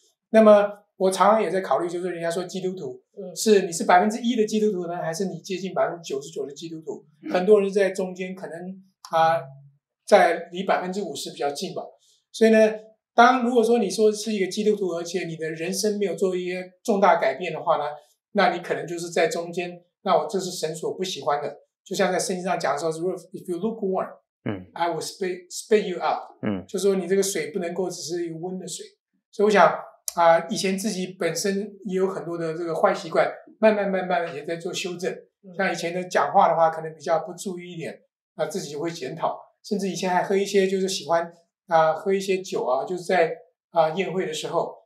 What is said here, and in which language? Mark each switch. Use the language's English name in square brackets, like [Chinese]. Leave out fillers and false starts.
[Chinese] 那么我常常也在考虑，就是人家说基督徒是你是 1% 的基督徒呢，还是你接近 99% 的基督徒？很多人在中间，可能啊，在离 50% 比较近吧。所以呢，当如果说你说是一个基督徒，而且你的人生没有做一些重大改变的话呢，那你可能就是在中间。那我这是神所不喜欢的。就像在圣经上讲说 [English] ，If you lukewarm， I will spit you out。 [Chinese] 就说你这个水不能够只是一个温的水。所以我想，以前自己本身也有很多的这个坏习惯，慢慢也在做修正。像以前的讲话的话，可能比较不注意一点，自己就会检讨。甚至以前还喝一些，就是喜欢喝一些酒啊，就是在宴会的时候。